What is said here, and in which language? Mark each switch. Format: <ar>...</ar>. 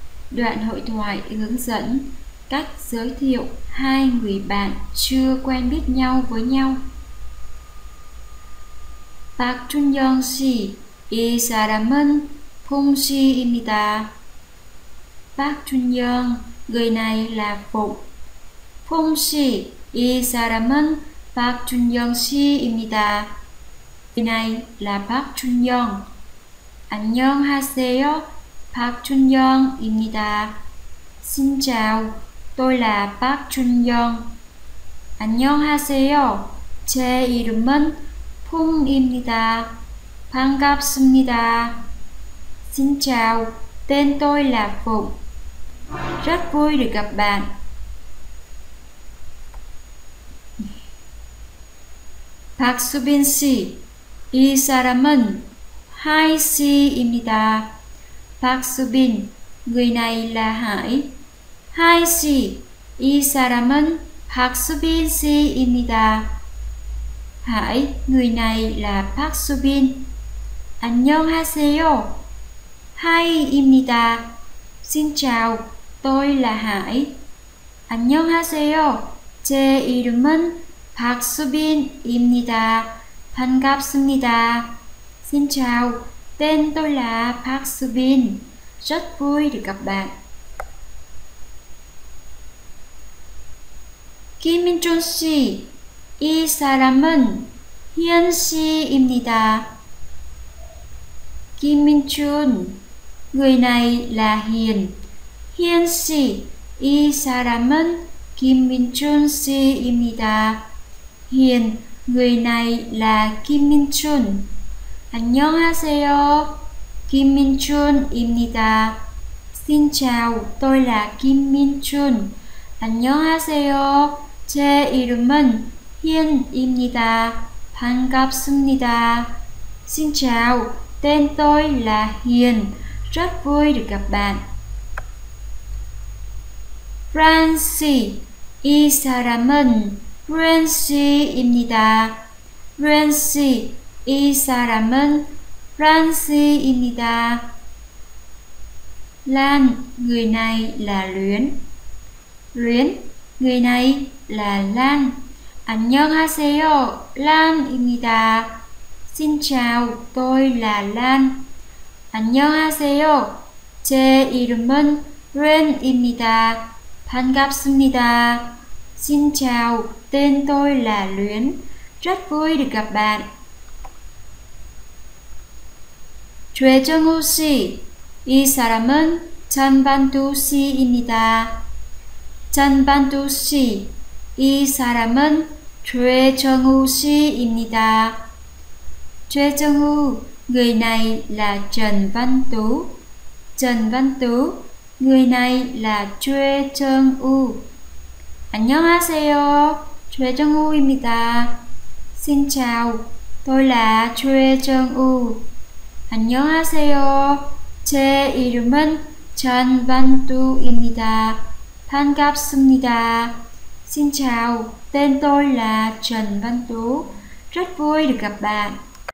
<vi>Đoạn hội thoại hướng dẫn cách giới thiệu hai người bạn chưa quen biết nhau với nhau.</vi> <ko>Park Chun-young 씨, 이 사람은 Phung 씨입니다.</ko> <vi>Park Chun-young, người này là Phụng.</vi> <ko>Phung 씨, 이 사람은 Park Chun-young 씨입니다.</ko> <vi>Người này là Park Chun-young.</vi> <ko>안녕하세요. Park Chun-young입니다.</ko> <vi>Xin chào, tôi là Park Chun-young.</vi> <ko>안녕하세요. 제 이름은 Phung입니다. 반갑습니다.</ko> <vi>Xin chào, tên tôi là Phụng. Rất vui được gặp bạn.</vi> <ko>Park Subin 씨, 이 사람은 Hai 씨입니다.</ko> <vi>Park Subin, người này là Hải.</vi> <ko>Hai 씨, 이 사람은 Park Subin 씨입니다.</ko> <vi>Hải, người này là Park Subin.</vi> <ko>안녕하세요. Hai입니다.</ko> <vi>Xin chào, tôi là Hải.</vi> <ko>안녕하세요. 제 이름은 Park Subin입니다. 반갑습니다.</ko> <vi>Xin chào, tên tôi là Park Subin. Rất vui được gặp bạn.</vi> <ko>Kim Minjun 씨, 이 사람은 Hyun 씨입니다.</ko> <vi>Kim Minjun, người này là Hiền.</vi> <ko>Hyun 씨, 이 사람은 Kim Minjun 씨입니다.</ko> <vi>Hiền, người này là Kim Minjun.</vi> <ko>안녕하세요. Kim Minjun입니다.</ko> <vi>Xin chào, tôi là Kim Minjun.</vi> <ko>안녕하세요. 제 이름은 Hiền입니다. 반갑습니다.</ko> <vi>Xin chào, tên tôi là Hiền. Rất vui được gặp bạn.</vi> <ko>Francie, 이 사람은 Francie입니다. Francie, 이 사람은 Francie입니다.</ko> <vi>Lan, người này là Luyến. Luyến, người này là Lan.</vi> <ko>안녕하세요, Lan입니다.</ko> <vi>Xin chào, tôi là Lan.</vi> <ko>안녕하세요, 제 이름은 Luyến입니다. 반갑습니다.</ko> <vi>Xin chào, tên tôi là Luyến. Rất vui được gặp bạn.</vi> <ko>최정우 씨, 이 사람은 전반두 씨입니다. 전반두 씨, 이 사람은 최정우 씨입니다.</ko> <vi>최정우, người này là Trần Văn Tú. Trần Văn Tú, người này là 최정우.</vi> <ko>안녕하세요, 최정우입니다.</ko> <vi>Xin chào, tôi là 최정우.</vi> <ko>안녕하세요. 제 이름은 전반두입니다. 반갑습니다.</ko> <vi>Xin chào. Tên tôi là 전반두. Rất vui được gặp bạn.</vi>